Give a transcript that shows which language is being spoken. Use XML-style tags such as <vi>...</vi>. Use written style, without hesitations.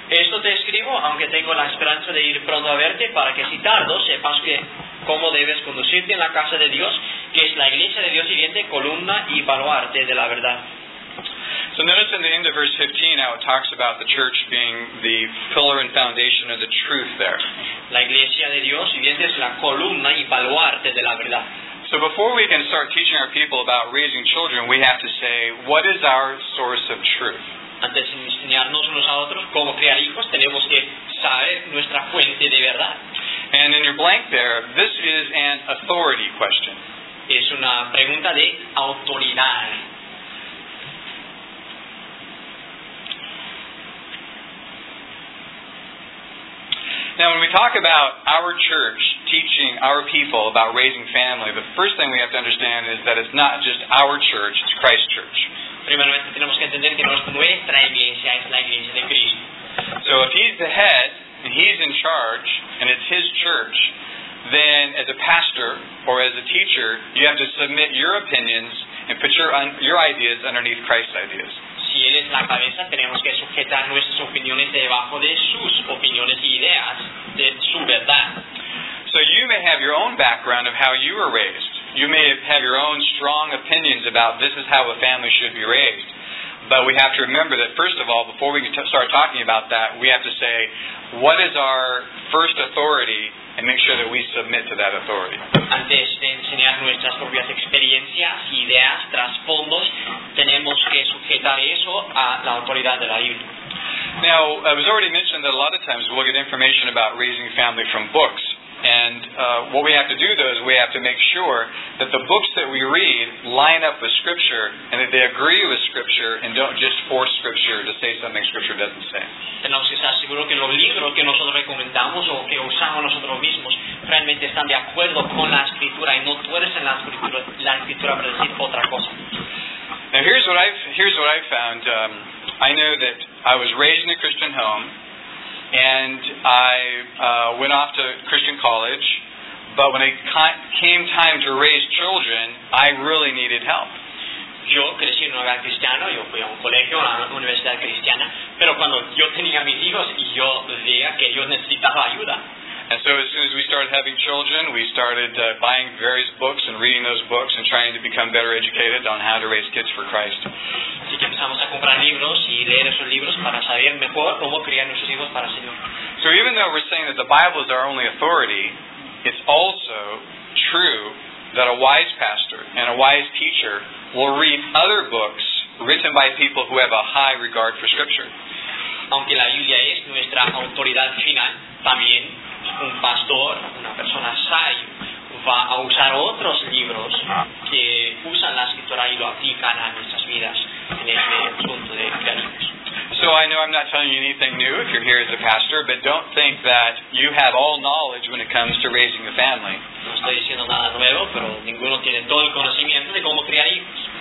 <es>Esto te escribo, aunque tengo la esperanza de ir pronto a verte, para que si tardo, sepas que cómo debes conducirte en la casa de Dios, que es la iglesia de Dios viviente, columna y baluarte de la verdad.</es> <en>So notice in the end of verse 15 how it talks about the church being the pillar and foundation of the truth there.</en> <es>La iglesia de Dios viviente es la columna y baluarte de la verdad.</es> <en>So before we can start teaching our people about raising children, we have to say, what is our source of truth?</en> <es>Antes de enseñarnos unos a otros cómo criar hijos, tenemos que saber nuestra fuente de verdad.</es> <en>And in your blank there, this is an authority question.</en> <es>Es una pregunta de autoridad.</es> <en>Now, when we talk about our church teaching our people about raising family, the first thing we have to understand is that it's not just our church, it's Christ's church.</en> <es>Primeramente, tenemos que entender que no es nuestra iglesia, es la iglesia de Cristo.</es> <en>So if he's the head, and he's in charge, and it's his church, then as a pastor or as a teacher, you have to submit your opinions and put your ideas underneath Christ's ideas.</en> <es>Si él es la cabeza, tenemos que sujetar nuestras opiniones debajo de sus opiniones y ideas de su verdad.</es> <en>So you may have your own background of how you were raised. You may have your own strong opinions about this is how a family should be raised. But we have to remember that, first of all, before we can start talking about that, we have to say, what is our first authority, and make sure that we submit to that authority.</en> <es>Antes de enseñar nuestras propias experiencias, ideas, trasfondos, tenemos que sujetar eso a la autoridad de la Biblia.</es> <en>Now, it was already mentioned that a lot of times we'll get information about raising family from books. And what we have to do, though, is we have to make sure that the books that we read line up with Scripture and that they agree with Scripture and don't just force Scripture to say something Scripture doesn't say.</en> <es>Tenemos que estar seguros que los libros que nosotros recomendamos o que usamos nosotros mismos realmente están de acuerdo con la Escritura y no tuercen la Escritura para decir otra cosa.</es> <en>Now, here's what I've found. I know that I was raised in a Christian home. And I went off to Christian college, but when it came time to raise children, I really needed help.</en> <es>Yo crecí en un hogar cristiano, yo fui a un colegio, a una universidad cristiana, pero cuando yo tenía mis hijos, yo veía que yo necesitaba ayuda.</es> <en>And so as soon as we started having children, we started buying various books and reading those books and trying to become better educated on how to raise kids for Christ.</en> <es>Así que empezamos a comprar libros y leer esos libros para saber mejor cómo criar nuestros hijos para el Señor.</es> <en>So even though we're saying that the Bible is our only authority, it's also true that a wise pastor and a wise teacher will read other books written by people who have a high regard for Scripture.</en> <es>Aunque la Biblia es nuestra autoridad final, también un pastor, una persona sabia, va a usar otros libros que usan la Escritura y lo aplican a nuestras vidas en este punto de creación.</es> <en>So I know I'm not telling you anything new if you're here as a pastor, but don't think that you have all knowledge when it comes to raising a family.</en> <es>No estoy diciendo nada nuevo, pero ninguno tiene todo el conocimiento de cómo criar hijos.</es>